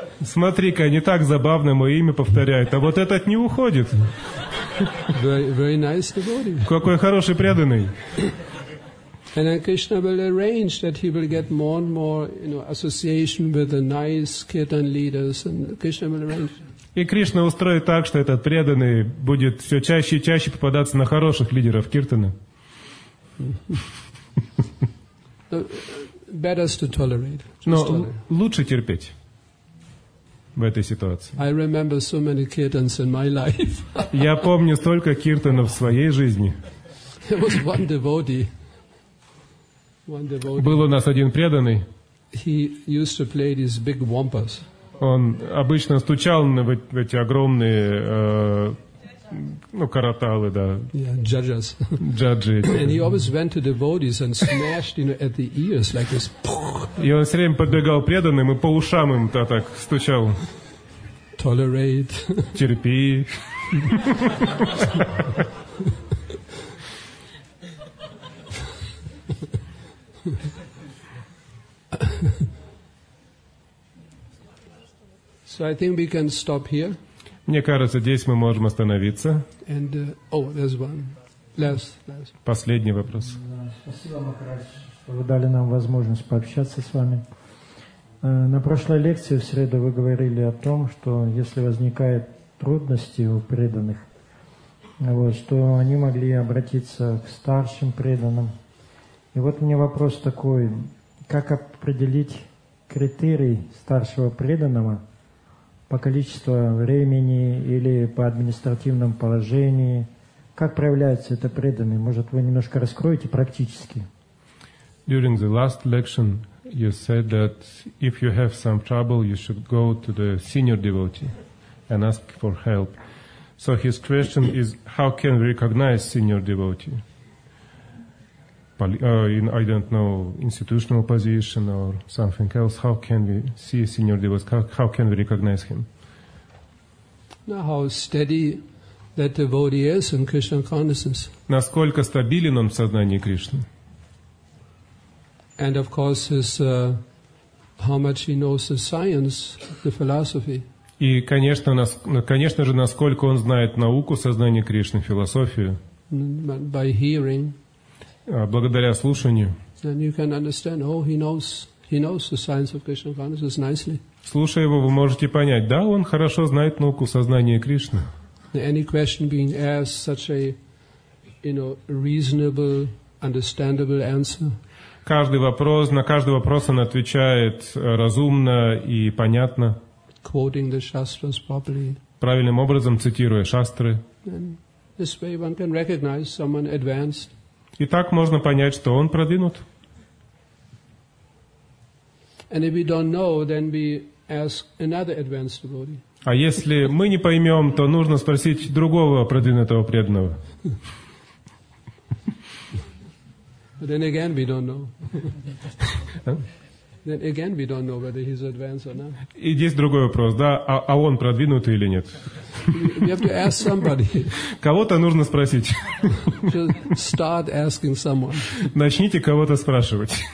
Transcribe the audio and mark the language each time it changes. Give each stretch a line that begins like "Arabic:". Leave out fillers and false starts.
Russian: Смотри-ка, не так забавно мое имя повторяют, а вот этот не уходит.
English: Very, very nice devotee.
Russian: Какой хороший преданный.
English: And then Krishna will arrange that he will get more and more, you know, association with the nice kirtan leaders, and Krishna will arrange.
Russian: И Кришна устроит так, что этот преданный будет все чаще и чаще попадаться на хороших лидеров киртана.
English: Better to tolerate.
Russian: Но лучше терпеть в этой ситуации.
English: I remember so many kirtans in my life.
Russian: Я помню столько киртанов в своей жизни.
English: There was one devotee. One devotee.
Russian: Был у нас один преданный.
English: He used to play these big wampas.
Russian: Он обычно стучал в эти огромные караталы, да.
English: Yeah, judges.
Russian: Джаджи.
English: And he always went to devotees and smashed, you know, at the ears like this.
Russian: И он все время подбегал преданным и по ушам им так стучал.
English: Tolerate.
Russian: Терпи.
English: Yeah. So I think we can stop here.
Russian: Мне кажется, здесь мы можем остановиться.
English: And, oh, there's one. Last.
Russian: Последний вопрос. Спасибо, Махарадж, что вы дали нам возможность пообщаться с вами. На прошлой лекции в среду вы говорили о том, что если возникают трудности у преданных, вот, что они могли обратиться к старшим преданным. И вот мне вопрос такой, как определить критерий старшего преданного по количеству времени или по административному положению? Как проявляется это преданный? Может, вы немножко раскроете практически?
English: During the last lecture, you said that if you have some trouble, you should go to the senior devotee and ask for help. So his question is, how can we recognize senior devotee? I don't know, institutional position or something else. How can we see senior devotee? How can we recognize him? Now, how steady that devotee is in Krishna consciousness.
Russian: Насколько стабилен он в сознании Кришны?
English: And of course, his how much he knows the science, the philosophy.
Russian: И, конечно же, насколько он знает науку сознания Кришны, философию.
English: By hearing.
Russian: Благодаря слушанию.
English: Then you can understand, oh, he knows the science of Krishna consciousness nicely.
Russian: Слушая его, вы можете понять, да, он хорошо знает науку сознания Кришны.
English: Any question being asked, such a, you know, reasonable, understandable answer.
Russian: На каждый вопрос он отвечает разумно и понятно.
English: Quoting the shastras properly.
Russian: Правильным образом цитируя шастры.
English: This way one can recognize someone advanced.
Russian: И так можно понять, что он продвинут.
English: And if we don't know, then we ask another advanced devotee.
Russian: А если мы не поймем, то нужно спросить другого продвинутого преданного.
English: But then again, we don't know. Then again, we don't know whether he's advanced or not.
Russian: И здесь другой вопрос, да? А он продвинутый или нет?
English: You have to ask somebody.
Russian: Кого-то нужно спросить.
English: Just start asking someone.
Russian: Начните кого-то спрашивать.